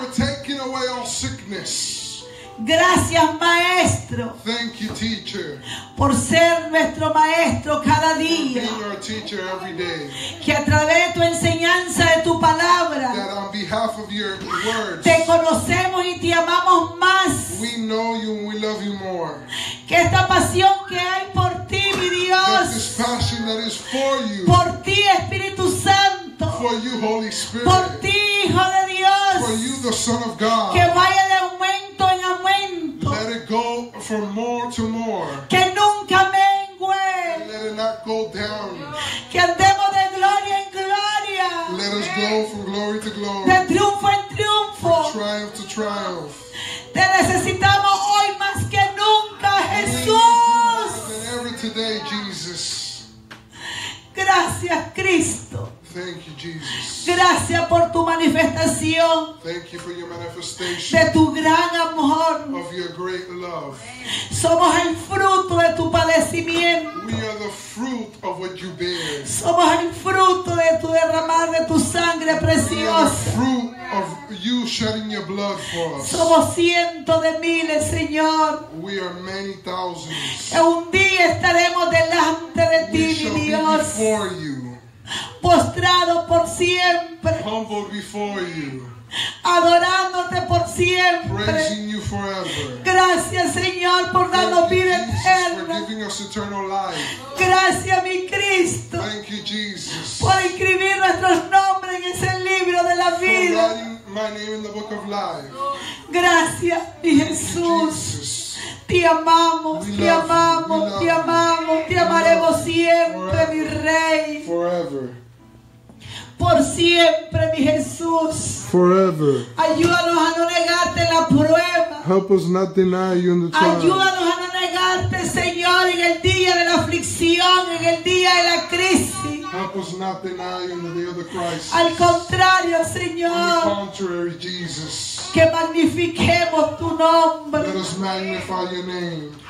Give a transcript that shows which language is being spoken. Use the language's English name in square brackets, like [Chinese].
[English] For taking away all sickness. [Spanish] Gracias, Maestro. [English] Thank you, teacher. [Spanish] Por ser nuestro maestro cada día. [English] For being our teacher every day. [Spanish] Que a través de tu enseñanza, de tu palabra, [English] that on behalf of your words, [Spanish] te conocemos y te amamos más. [English] We know you and we love you more. [Spanish] Que esta pasión que hay por ti, mi Dios. [English] That this passion that is for you. [Spanish] Por ti, Espíritu Santo. [English] For you, Holy Spirit. [Spanish] Por ti, Hijo de Dios. [English] For you, the Son of God. [Spanish] Que vaya de aumento en aumento. [English] Let it go from more to more. [Spanish] Que nunca mengue. [English] Let it not go down. [Spanish] Que andemos de gloria en gloria. [English] Let us go from glory to glory. [Spanish] De triunfo en triunfo. [English] From triumph to triumph. [Spanish] Te necesitamos hoy más que nunca, Jesús. [English] More than ever today, Jesus. [Spanish] Gracias, Cristo. [English] Thank you, Jesus. [Spanish] Gracias por tu manifestación. [English] Thank you for your manifestation. [Spanish] De tu gran amor. [English] Of your great love. [Spanish] Somos el fruto de tu padecimiento. [English] We are the fruit of what you bear. [Spanish] Somos el fruto de tu derramar de tu sangre preciosa. [English] We are the fruit of you shedding your blood for us. [Spanish] Somos cientos de miles, Señor. [English] We are many thousands. [Spanish] Un día estaremos delante de ti, mi Dios. [English] We shall be before you. [Spanish] Postrado por siempre. [English] Humble before you. [Spanish] Adorándote por siempre. [English] Praising you forever. [Spanish] Gracias, Señor, por darnos vida eterna. [English] Thank you, Jesus, for giving us eternal life. [Spanish] Gracias, mi Cristo. [English] Thank you, Jesus. [Spanish] Por inscribir nuestros nombres en ese libro de la vida. [English] For writing my name in the book of life. [Spanish] Gracias, mi Jesús. Te amamos, te amamos, te amamos, te amaremos siempre, mi Rey. [English] Forever. [Spanish] Por siempre, mi Jesús. [English] Forever. [Spanish] Ayúdanos a no negarte la prueba. [English] Help us not deny you in the trial. [Spanish] Ayúdanos a no negarte, Señor, en el día de la aflicción, en el día de la crisis. [English] Help us not deny you in the day of the crisis. [Spanish] Al contrario, Señor. [English] On the contrary, Jesus. [Spanish] Que magnifiquemos tu nombre. [English] Let us magnify your name.